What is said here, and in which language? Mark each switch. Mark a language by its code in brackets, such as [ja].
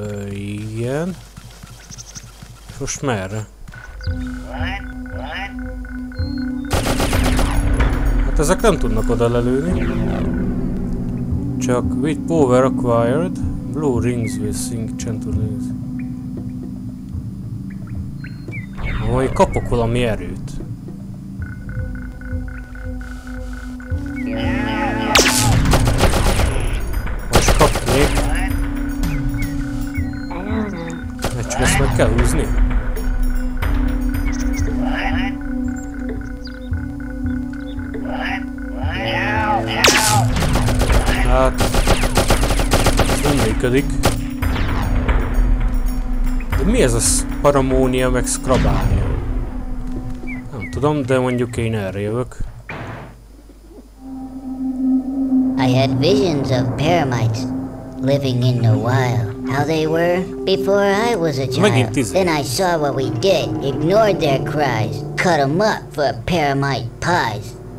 [hu] Igen. Most merre? Hát ezek nem tudnak oda lelőni. Csak [en] with power acquired, blue rings will sing gently. [hu] Majd kapok valami erőt. Most kapnék. Mert csak ezt meg kell húzni. Hát... Ez nem működik. De mi ez az? paramónia, meg skrabánia. Nem tudom, de mondjuk én erre jövök. [en] I had visions of paramites living in the wild. How they were before I was a child. Then I saw what we did, ignored their cries, cut them up for paramite pies.